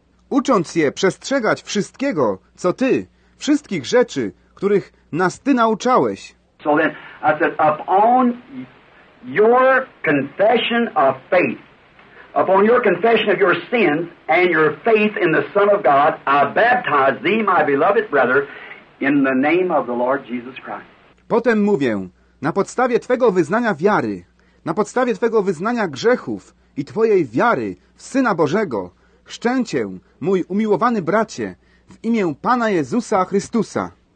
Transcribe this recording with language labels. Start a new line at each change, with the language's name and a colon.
Polish: Ucząc je przestrzegać wszystkiego, co Ty, wszystkich rzeczy, których nas Ty nauczałeś.
English: So then, I said, upon your confession of faith, upon your confession of your sins and your faith in the Son of God, I baptize thee, my beloved brother, in the name of the Lord Jesus Christ.
Polish: Potem mówię, na podstawie Twego wyznania wiary, na podstawie Twego wyznania grzechów i Twojej wiary w Syna Bożego, chrzczę Cię, mój umiłowany bracie, w imię Pana Jezusa Chrystusa.